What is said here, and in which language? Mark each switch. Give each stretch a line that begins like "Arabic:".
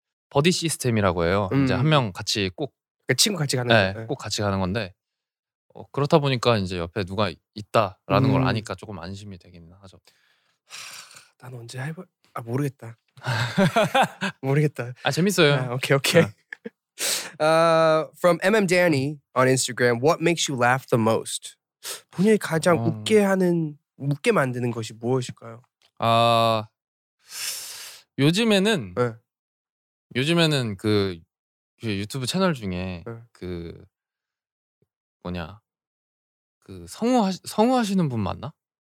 Korean: 버디 시스템이라고 해요. 이제 한 명 같이 꼭 그 친구 같이 가는 네, 꼭 같이 가는 건데 그렇다 보니까 이제 옆에 누가 있다라는 걸 아니까 조금 안심이 되긴 하죠. 난 언제 해볼 아 모르겠다. 모르겠다. 아 재밌어요. 아, 오케이 오케이. 아.
English: from MM Danny on Instagram, what makes you laugh the most?
Korean: 본인이 가장 웃게 만드는 것이 무엇일까요? 아 요즘에는 네. 요즘에는 그 유튜브 채널 중에 네. 그 뭐냐 그 성우 하시는 분 맞나?